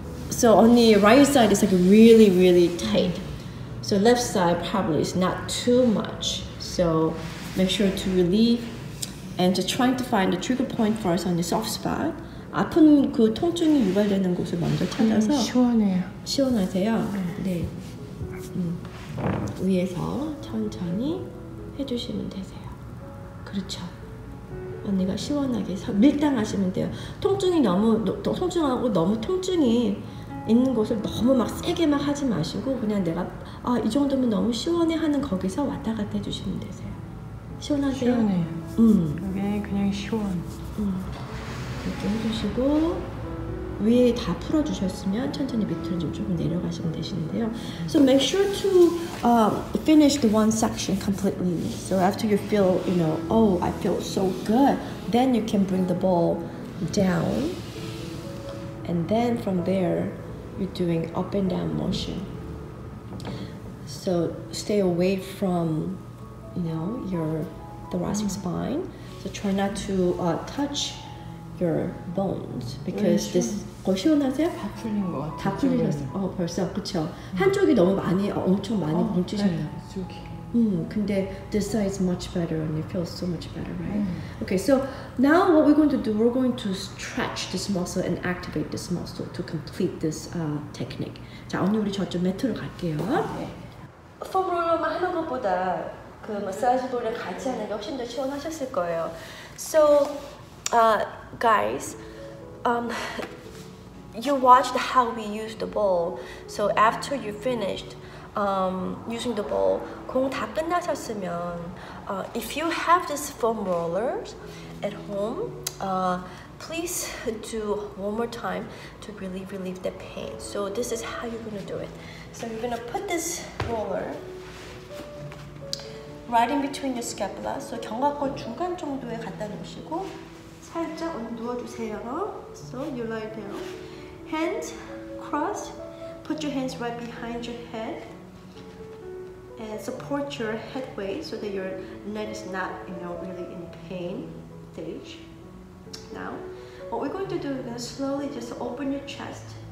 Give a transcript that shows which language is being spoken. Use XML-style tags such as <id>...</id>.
<en>So on the right side is like really, really tight. So left side probably is not too much. So make sure to relieve and just trying to find the trigger point for us on the soft spot.</en> <ko>아픈 그 통증이 유발되는 곳을 먼저 찾아서 시원해요. 시원하세요? 네. 위에서 천천히 해주시면 되세요. 그렇죠. 언니가 시원하게 밀당하시면 돼요. 통증이 너무 통증하고 너무 통증이 있는 곳을 너무 막 세게 막 하지 마시고 그냥 내가 아, 이 정도면 너무 시원해 하는 거기서 왔다 갔다 해주시면 되세요. 시원하세요? 시원해요. 이게 그냥 시원. 이렇게 해주시고 위에 다 풀어주셨으면 천천히 밑으로 좀 조금 내려가시면 되시는데요.</ko> <en>So make sure to finish the one section completely. So after you feel, you know, oh, I feel so good, then you can bring the ball down. And then from there, you're doing up and down motion. So stay away from, you know, your thoracic spine. So try not to touch your bones because</en> <ko>네,</ko> <en>this</en> <ko>시원하세요? 다 풀린 것 같아요. 다 풀리셨어요. 어, 벌써 그쵸. 한쪽이 너무 많이 엄청 많이 뭉치셨나요? 네, 저기. 근데</ko> <en>this side is much better and it feels so much better, right? Okay, so now what we're going to do, we're going to stretch this muscle and activate this muscle to complete this technique.</en> <ko>자, 언니 우리 저쪽 매트로 갈게요. 네. 폼 롤러만 하는 것보다 그 마사지 볼을 같이 하는 게 훨씬 더 시원하셨을 거예요.</ko> <en>So guys, you watched how we use the ball. So after you finished using the ball,</en> <ko>공 다 끝나셨으면,</ko> <en>if you have this foam rollers at home, Please do one more time to really relieve the pain. So this is how you're gonna do it. So you're gonna put this roller right in between the scapula. So</en> <ko>견갑골 중간 정도에 갖다 놓으시고 살짝 누워주세요.</ko> <en>So you lie down. Hands crossed. Put your hands right behind your head and support your head weight so that your neck is not, you know, really in pain stage. Now, what we're going to do, we're going to slowly just open your chest.</en>